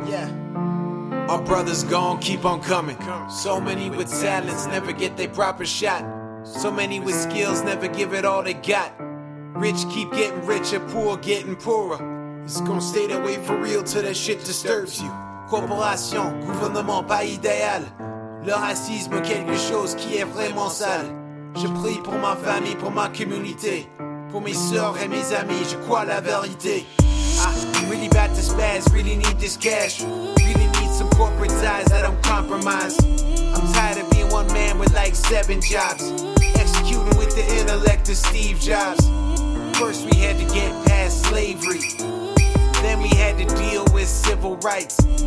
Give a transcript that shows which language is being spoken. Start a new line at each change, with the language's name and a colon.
English: Yeah. Our brothers gon' keep on coming. So many with talents never get their proper shot. So many with skills never give it all they got. Rich keep getting richer, poor getting poorer. It's gon' stay that way for real till that shit disturbs you.
French: Corporation, gouvernement, pas idéal. Le racisme, quelque chose qui est vraiment sale. Je prie pour ma famille, pour ma communauté. Pour mes soeurs et mes amis, je crois la vérité.
English: I'm really about to spaz, really need this cash. Really need some corporate ties, I don't compromise. I'm tired of being one man with like 7 jobs. Executing with the intellect of Steve Jobs. First we had to get past slavery. Then we had to deal with civil rights.